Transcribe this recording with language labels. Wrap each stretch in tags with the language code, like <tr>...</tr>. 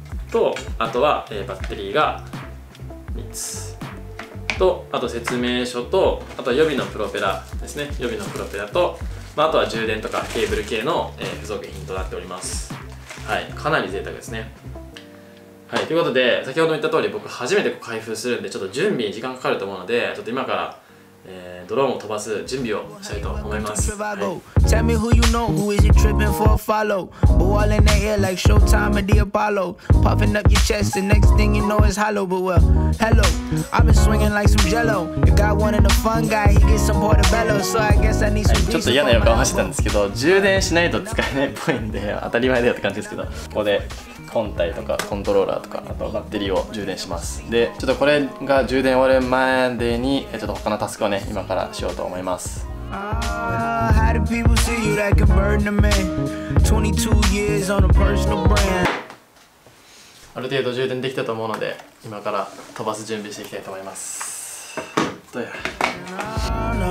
<ja>とあとは、バッテリーが3つと、あと説明書と、あとは予備のプロペラですね、予備のプロペラと、まあ、あとは充電とかケーブル系の、付属品となっております。はい、かなり贅沢ですね。はい、ということで先ほど言った通り僕初めて開封するんでちょっと準備に時間かかると思うので、ちょっと今からドローンを飛ばす準備をしたいと思います。</ja> <en>はい、Tell me who you know, who is you tripping for a follow? Ball in the air like Showtime or the Apollo. Puffing up your chest, the next thing you know is hollow. But well, hello, I've been swinging like some jello. You got one in the fun guy, he gets some portobello. So I guess I need some peace.</en> <ja>ちょっと嫌な予感はしてたんですけど、充電しないと使えないっぽいんで当たり前だよって感じですけど、ここで本体とかコントローラーとかあとバッテリーを充電します。で、ちょっとこれが充電終わる前でにちょっと他のタスクをね今からしようと思います。</ja> <en>How do people see you that can burn the man? 22 years on a personal brand.</en> <ja>ある程度充電できたと思うので、今から飛ばす準備していきたいと思います。どうや。</ja>